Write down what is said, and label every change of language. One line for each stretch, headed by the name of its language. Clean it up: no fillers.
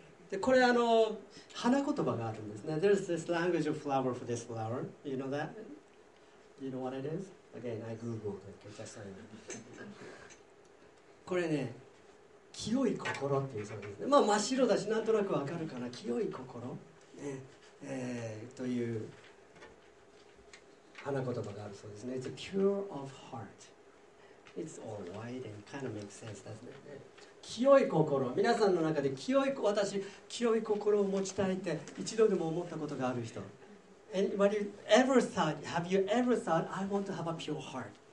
Japanese: でこれあの花言葉があるんですね。
English: There's this language of flower for this flower. You know that? You know what it is? Again, I googled it. Just saying.
Japanese: これね、清い心っていうそうですね。まあ真っ白だしなんとなくわかるかな。清い心、ね、という花言葉があるそうですね。
English: It's a pure of heart. It's all white and kind of makes sense, doesn't it?
Japanese: 清い心、皆さんの中で清い、私清い心を持ちたいって一度でも思ったことがある人、
English: Anybody ever thought, have you ever thought I want to have a pure heart?